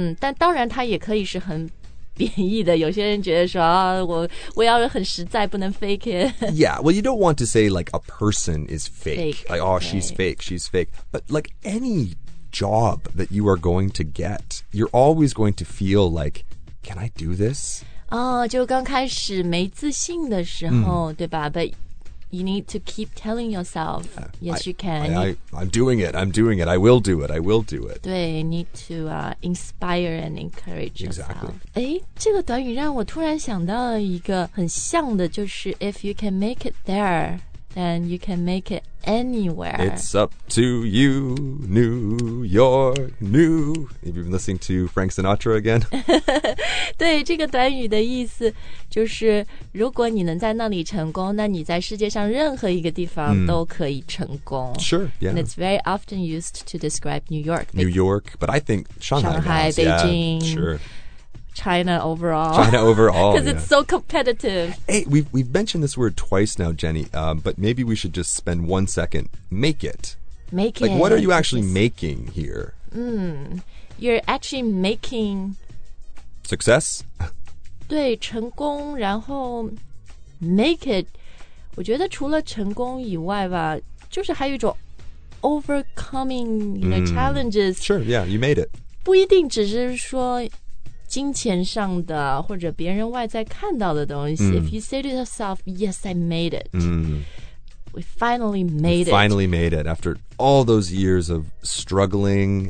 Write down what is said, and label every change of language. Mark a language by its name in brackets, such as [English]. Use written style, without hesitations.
[Chinese] 但当然它也可以是很。贬义的，有些人觉得说、我要很实在，不能 [English] fake it. Yeah, well, you don't want to say like a person is fake. Like, oh, she's fake, she's fake. But like any job that you are going to get, you're always going to feel like, can I do this? [Chinese] Oh, 就刚开始没自信的时候，对吧？ [English] But you need to keep telling yourself, yes, you can. I'm doing it. I will do it. 对 need to、inspire and encourage yourself. Exactly. [Chinese] 诶这个短语让我突然想到一个很像的就是 [English] if you can make it there, then you can make it anywhere. It's up to you, New York, New. Have you been listening to Frank Sinatra again? [Chinese] 对这个短语的意思就是如果你能在那里成功那你在世界上任何一个地方都可以成功、 [English] Sure, yeah. And it's very often used to describe New York. New York, but I think Shanghai. Shanghai, Beijing. Yeah, sure. China overall. China overall, because it's so competitive. Hey, we've mentioned this word twice now, Jenny, but maybe we should just spend 1 second. Make it. Make it. Like, what are you actually making here? You're actually making... Success? [Chinese] 对，成功，然后 make it. 我觉得除了成功以外吧，就是还有一种 [English] overcoming the challenges. Sure, yeah, you made it. [Chinese] 不一定只是说金钱上的或者别人外在看到的东西。 [English] If you say to yourself, yes, I made it. We finally made it. Finally made it after all those years of struggling.